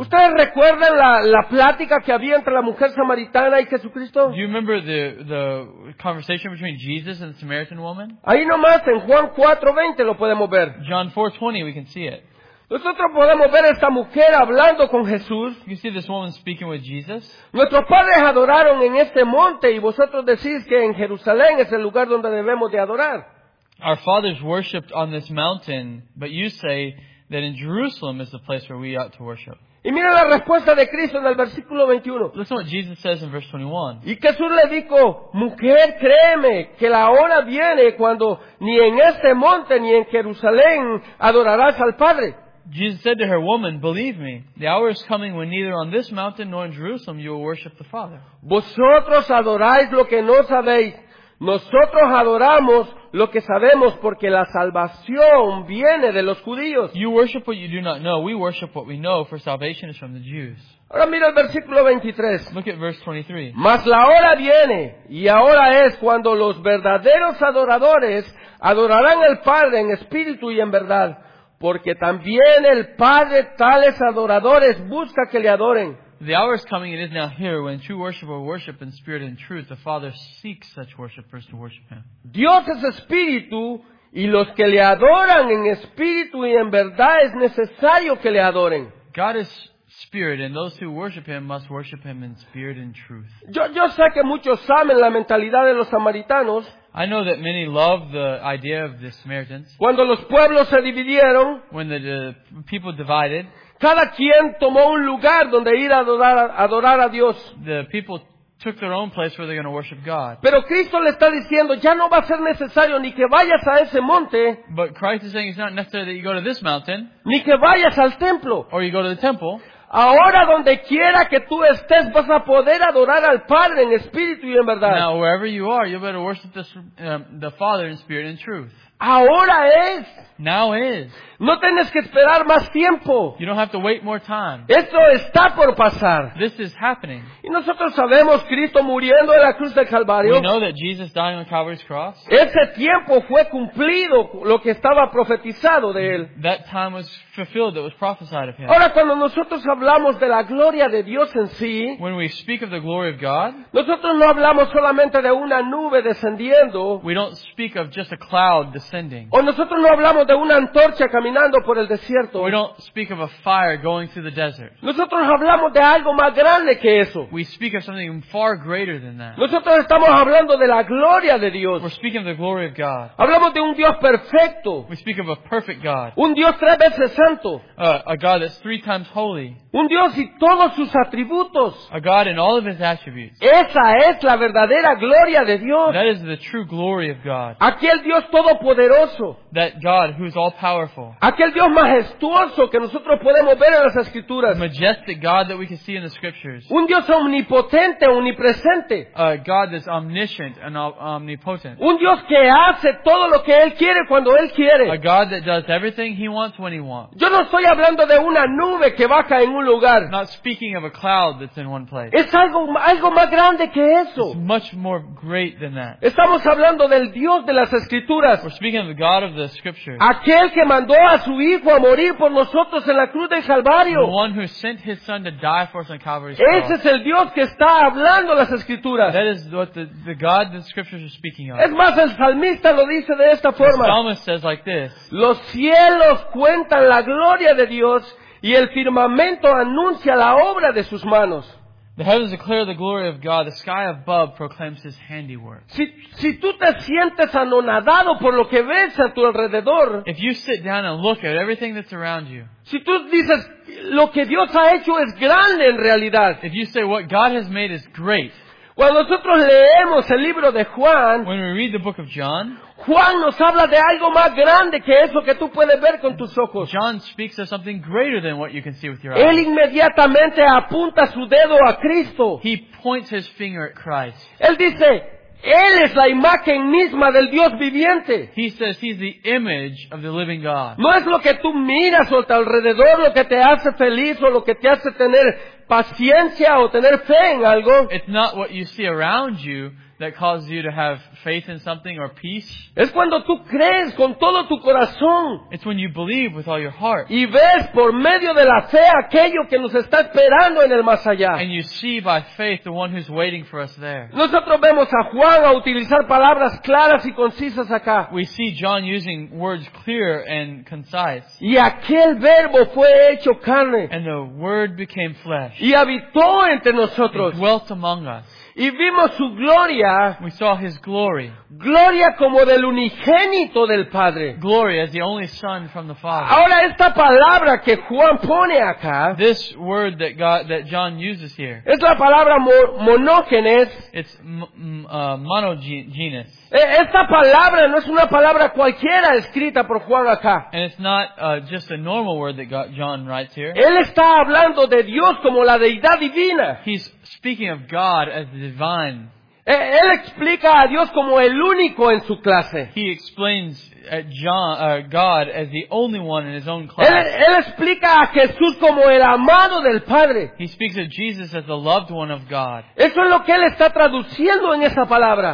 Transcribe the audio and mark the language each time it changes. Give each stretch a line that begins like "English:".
Spanish: ¿Ustedes recuerdan la plática que había entre la mujer samaritana y Jesucristo?
English: Do you remember the conversation between Jesus and the Samaritan woman?
Spanish: Ahí nomás en Juan 4:20 lo podemos ver.
English: John 4:20 we can see it.
Spanish: Nosotros podemos ver a esta mujer hablando con Jesús.
English: You see this woman speaking with Jesus?
Spanish: Nuestros padres adoraron en este monte y vosotros decís que en Jerusalén es el lugar donde debemos de adorar.
English: Our fathers worshipped on this mountain, but you say that in Jerusalem is the place where we ought to worship.
Spanish: Y mira la respuesta de Cristo en el versículo 21.
English: Listen what Jesus says in verse 21.
Spanish: Y Jesús le dijo, mujer, créeme que la hora viene cuando ni en este monte ni en Jerusalén adorarás al Padre.
English: Jesus said to her, woman, believe me, the hour is coming when neither on this mountain nor in Jerusalem you will worship the Father.
Spanish: Vosotros adoráis lo que no sabéis. Nosotros adoramos lo que sabemos porque la salvación viene de los judíos.
English: You worship what you do not know. We worship what we know, for salvation is from the Jews.
Spanish: Ahora mira el versículo 23.
English: Look at verse 23.
Spanish: Mas la hora viene, y ahora es cuando los verdaderos adoradores adorarán al Padre en espíritu y en verdad. Porque también el Padre tales adoradores busca que le adoren.
English: The hour is coming, it is now here, when true worshipers worship in spirit and truth. The Father seeks such worshipers to worship Him.
Spanish: Dios es espíritu, y los que le adoran en espíritu y en verdad es necesario que le adoren.
English: God is spirit, and those who worship Him must worship Him in spirit and truth.
Spanish: Yo sé que muchos saben la mentalidad de los samaritanos.
English: I know that many love the idea of the Samaritans.
Spanish: Cuando los pueblos se dividieron,
English: when the people divided,
Spanish: cada quien tomó un lugar donde ir a adorar a Dios.
English: The people took their own place where they're going to worship God.
Spanish: Pero Cristo le está diciendo, ya no va a ser necesario ni que vayas a ese monte.
English: But Christ is saying it's not necessary that you go to this mountain.
Spanish: Ni que vayas al templo.
English: Or you go to the temple.
Spanish: Ahora donde quiera que tú estés vas a poder adorar al Padre en espíritu y en verdad.
English: Now wherever you are, you better worship the Father in spirit and truth.
Spanish: Ahora es.
English: Now is.
Spanish: No tienes que esperar más tiempo.
English: You don't have to wait more time.
Spanish: Esto está por pasar.
English: This is happening.
Spanish: Y nosotros sabemos Cristo muriendo en la cruz del Calvario.
English: We know that Jesus dying on Calvary's cross.
Spanish: Ese tiempo fue cumplido lo que estaba profetizado de él.
English: That time was fulfilled that was prophesied of him.
Spanish: Ahora cuando nosotros hablamos de la gloria de Dios en sí,
English: when we speak of the glory of God,
Spanish: nosotros no hablamos solamente de una nube descendiendo.
English: We don't speak of just a cloud descending.
Spanish: O nosotros no hablamos de una antorcha caminando por el desierto.
English: We don't speak of a fire going through the desert.
Spanish: Nosotros hablamos de algo más grande que eso.
English: We speak of something far greater than that.
Spanish: Nosotros estamos hablando de la gloria de Dios.
English: We're speaking of the glory of God.
Spanish: Hablamos de un Dios perfecto.
English: We speak of a perfect God.
Spanish: Un Dios tres veces santo.
English: A God that's three times holy.
Spanish: Un Dios y todos sus atributos.
English: A God in all of his attributes.
Spanish: Esa es la verdadera gloria de Dios.
English: That is the true glory of God.
Spanish: Aquel Dios todopoderoso.
English: That God who's all powerful.
Spanish: Aquel Dios majestuoso que nosotros podemos ver en las escrituras.
English: A majestic God that we can see in the scriptures.
Spanish: Un Dios omnipotente, omnipresente.
English: A God that's omniscient and omnipotent.
Spanish: Un Dios que hace todo lo que él quiere cuando él quiere.
English: A God that does everything he wants when he wants.
Spanish: Yo no estoy hablando de una nube que va a caer en un lugar.
English: I'm not speaking of a cloud that's in one place.
Spanish: Es algo más grande que eso.
English: It's much more great than that.
Spanish: Estamos hablando del Dios de las escrituras.
English: We're speaking of the God of the scriptures.
Spanish: Aquel que mandó a su hijo a morir por nosotros en la cruz del Calvario.
English: The one who sent his son to die for us on Calvary's cross.
Spanish: Ese es el Dios que está hablando las escrituras.
English: That is what the God the scriptures are speaking of.
Spanish: Es más, el salmista lo dice de esta forma.
English: The psalmist says like this.
Spanish: Los cielos cuentan la gloria de Dios y el firmamento anuncia la obra de sus manos.
English: The heavens declare the glory of God. The sky above proclaims his handiwork.
Spanish: Si tú te sientes anonadado por lo que ves a tu alrededor.
English: If you sit down and look at everything that's around you.
Spanish: Si tú dices lo que Dios ha hecho es grande en realidad.
English: If you say what God has made is great.
Spanish: Cuando nosotros leemos el libro de Juan,
English: when we read the book of John,
Spanish: Juan nos habla de algo más grande que eso que tú puedes ver con tus ojos.
English: John speaks of something greater than what you can see with your eyes.
Spanish: Él inmediatamente apunta su dedo a Cristo.
English: He points his finger at Christ.
Spanish: Él dice, Él es la imagen misma del Dios viviente.
English: He says he's the image of the living God.
Spanish: No es lo que tú miras o tu alrededor lo que te hace feliz o lo que te hace tener paciencia o tener fe en algo.
English: It's not what you see around you that causes you to have faith in something or peace.
Spanish: Es cuando tú crees con todo tu corazón.
English: It's when you believe with all your heart.
Spanish: Y ves por medio de la fe aquello que nos está esperando en el más allá.
English: And you see by faith the one who's waiting for us there.
Spanish: Nosotros vemos a Juan a utilizar palabras claras y concisas acá.
English: We see John using words clear and concise.
Spanish: Y aquel verbo fue hecho carne.
English: And the word became flesh.
Spanish: Y habitó entre nosotros.
English: It dwelt among us.
Spanish: Y vimos su gloria.
English: We saw his glory.
Spanish: Gloria como del unigénito del Padre.
English: Glory as the only Son from the Father.
Spanish: Ahora esta palabra que Juan pone acá.
English: This word that God, that John uses here.
Spanish: Es la palabra monógenes.
English: It's monogenes.
Spanish: Esta palabra no es una palabra cualquiera escrita por Juan acá.
English: And it's not just a normal word that John writes here.
Spanish: Él está hablando de Dios como la deidad divina.
English: He's speaking of God as the divine.
Spanish: Él explica a Dios como el único en su clase.
English: He explains God as the only one in his own class.
Spanish: Él explica a Jesús como el amado del Padre.
English: He speaks of Jesus as the loved one of God.
Spanish: Eso es lo que él está traduciendo en esa palabra.